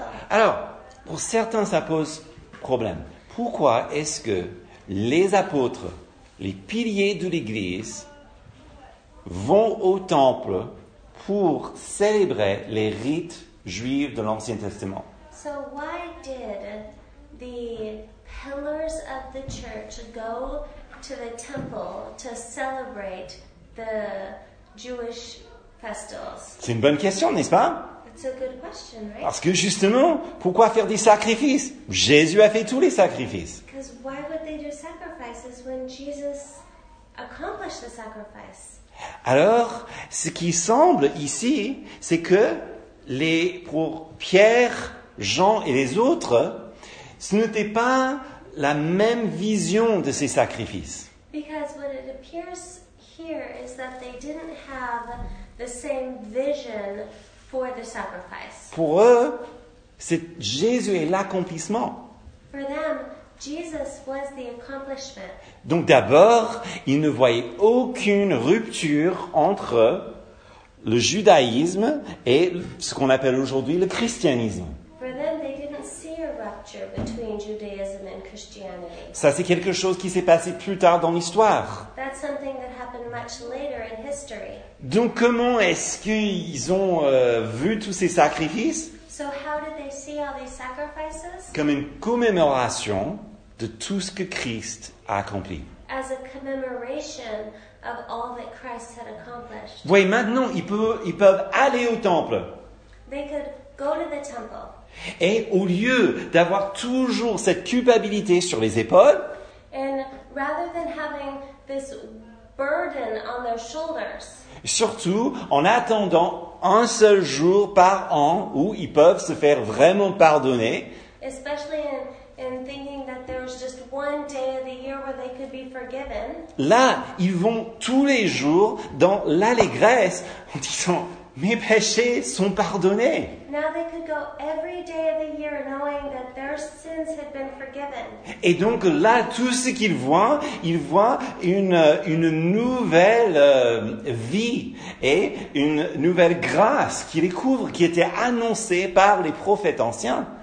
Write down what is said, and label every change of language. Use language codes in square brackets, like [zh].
[fr] Alors, pour certains, ça pose problème. Pourquoi est-ce que les apôtres, les piliers de l'Église, vont au temple pour célébrer les rites juifs de l'Ancien Testament? [en] So why did the pillars of the church go to the temple to celebrate the Jewish festivals? [fr] C'est une bonne question, n'est-ce pas? [en] It's a good question, right? [fr] Parce que justement, pourquoi faire des sacrifices? Jésus a fait tous les sacrifices. [en] Because why would they do sacrifices when Jesus accomplished the sacrifice? [fr] Alors, ce qui semble ici, c'est que pour Pierre, Jean et les autres, ce n'était pas la même vision de ces sacrifices. [en] Because what it appears here is that they didn't have the same vision for the sacrifice. [fr] Pour eux, c'est Jésus est l'accomplissement. [en] For them, Jesus was the accomplishment. [fr] Donc d'abord, ils ne voyaient aucune rupture entre le judaïsme et ce qu'on appelle aujourd'hui le christianisme. [en] For them, they didn't see a rupture between Judaism and Christianity. [fr] Ça, c'est quelque chose qui s'est passé plus tard dans l'histoire. [en] That's something that happened much later in history. [fr] Donc, comment est-ce qu'ils ont vu tous ces sacrifices? [en] So how did they see all these sacrifices? [fr] Comme une commémoration de tout ce que Christ a accompli. [en] As a commemoration of all that Christ had accomplished. [fr] Vous voyez, maintenant, ils peuvent aller au temple. [en] They could go to the temple. [fr] Et au lieu d'avoir toujours cette culpabilité sur les épaules, [en] and rather than having this burden on their shoulders, [fr] surtout en attendant un seul jour par an où ils peuvent se faire vraiment pardonner, [en] especially in thinking that there was just one day of the year where they could be forgiven, [fr] là, ils vont tous les jours dans l'allégresse en disant mes péchés sont pardonnés. [en] Now they could go every day of the year knowing that their sins had been forgiven. [fr] Et donc là, tout ce qu'ils voient, ils voient une nouvelle vie et une nouvelle grâce qui les couvre, qui était annoncée par les prophètes anciens.